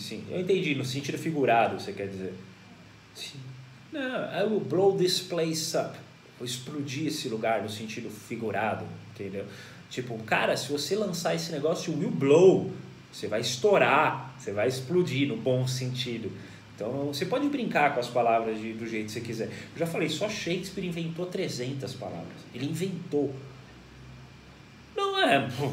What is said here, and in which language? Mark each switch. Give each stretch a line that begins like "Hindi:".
Portuguese: Eu entendi, no sentido figurado, você quer dizer. Sim.
English: Não, I will blow this place up.
Portuguese: Vou explodir esse lugar no sentido figurado, entendeu? Tipo, cara, se você lançar esse negócio, you will blow... Você vai estourar, você vai explodir no bom sentido. Então, você pode brincar com as palavras do jeito que você quiser. Eu já falei, só Shakespeare inventou 300 palavras. Ele inventou. Não é...